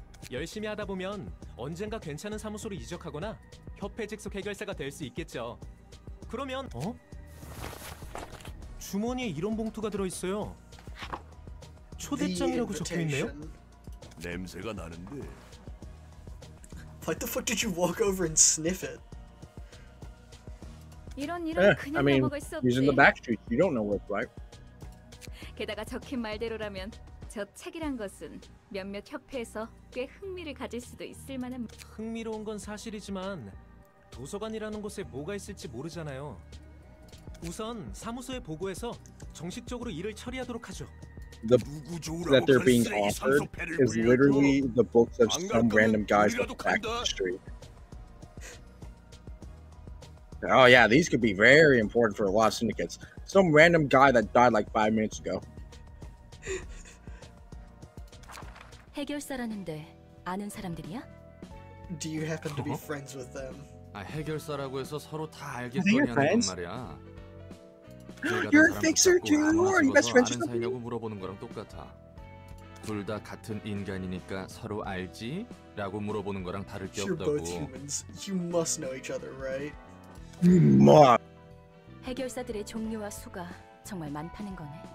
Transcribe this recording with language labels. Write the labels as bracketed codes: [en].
[ko] 열심히 하다 보면 언젠가 괜찮은 사무소로 이적하거나 협회 직속 해결사가 될 수 있겠죠. 그러면 어? 주머니에 이런 봉투가 들어 있어요. 초대장이라고 적혀 있네요. 냄새가 나는데. [en] Why the fuck did you walk over and sniff it? Yeah, I mean, he's in the back street. You don't know what's right. [ko] 게다가 적힌 말대로라면 저 책이란 것은 몇몇 협회에서 꽤 흥미를 가질 수도 있을 만한 흥미로운 건 사실이지만 도서관이라는 곳에 뭐가 있을지 모르잖아요. 우선 사무소에 보고해서 정식적으로 일을 처리하도록 하죠. [en] The that they're being offered is literally the books of some random guys on the back of the street. Oh yeah, these could be very important for a lot of syndicates. Some random guy that died like 5 minutes ago. [ko] 해결사라는데 아는 사람들이야? [en] Do you happen to be friends with them? [ko] 아 해결사라고 해서 서로 다 알게 되냐는 말이야. [en] You're a fixer too? Are you best friends or something? [ko] 사이냐고 물어보는 거랑 똑같아. 둘 다 같은 인간이니까 서로 알지? 라고 물어보는 거랑 다를 게 없다고. [en] You're both humans. You must know each other, right? You must. [ko] 해결사들의 종류와 수가 정말 많다는 거네.